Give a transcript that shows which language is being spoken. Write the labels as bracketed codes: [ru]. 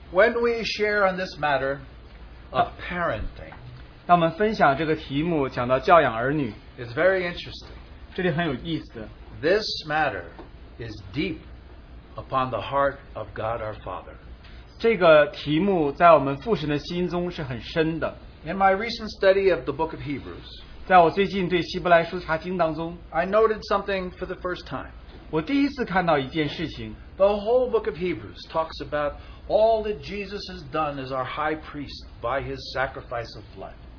[en] When we share on this matter of parenting, [zh] 当我们分享这个题目，讲到教养儿女, [en] it's very interesting. [zh] 这里很有意思的, [en] this matter is deep upon the heart of God our Father. [zh] 这个题目在我们父神的心中是很深的。 [en] In my recent study of the book of Hebrews, [zh] 在我最近对希伯来书查经当中, [en] I noted something for the first time. [zh] 我第一次看到一件事情, [en] the whole book of Hebrews talks about all that Jesus has done as our high priest by his sacrifice of blood.